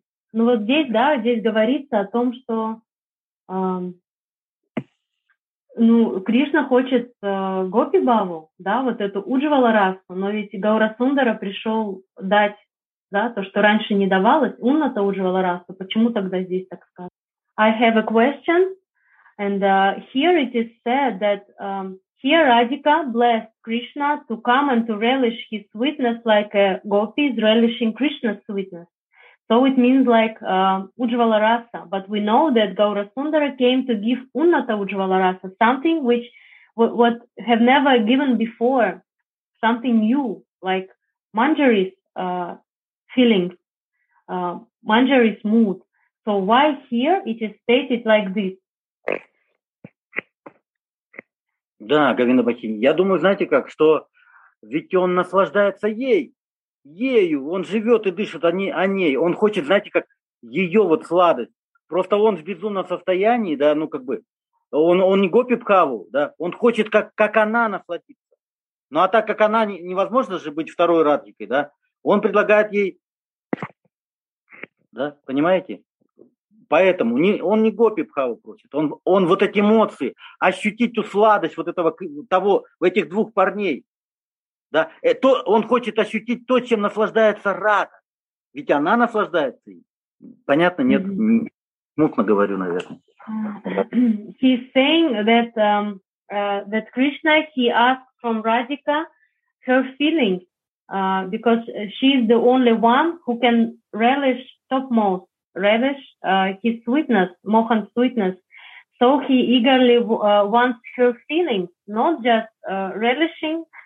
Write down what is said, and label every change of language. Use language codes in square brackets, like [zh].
[ru] Ну вот здесь, да, здесь говорится о том, что ну, Кришна хочет Гопи Баву, да, вот эту Уджвала Расу, но ведь Гаурасундара пришел дать, да, то, что раньше не давалось, Унната Уджвала Расу. Почему тогда здесь так сказано? [en] I have a question, and here it is said that here Radhika blessed Krishna to come and to relish his sweetness like a Gopi is relishing Krishna's sweetness. So it means like Ujjvala Rasa, but we know that Gaurasundara came to give Unnata Ujjvala Rasa, something which what have never given before, something new, like Manjari's feelings, Manjari's mood. So why here it is stated like this? [ru] Да, Говинда Бахини, я думаю, знаете как, что ведь он наслаждается ей. Ею, он живет и дышит о ней, он хочет, знаете, как ее вот сладость. Просто он в безумном состоянии, да, ну как бы, он не Гопи Бхаву, да, он хочет, как она насладиться. Ну а так как она, невозможно же быть второй Радхикой, да, он предлагает ей, да, понимаете? Поэтому он не Гопи Бхаву просит, он вот эти эмоции, ощутить ту сладость вот этого, того, этих двух парней. Да, это он хочет ощутить то, чем наслаждается Рада. Ведь она наслаждается им. Понятно, нет, мутно говорю, наверное. [en] He's saying that that Krishna he asked from Radhika her feelings because she is the only one who can relish topmost, relish his sweetness, Mohan's sweetness. So he eagerly wants her feelings, not just relishing.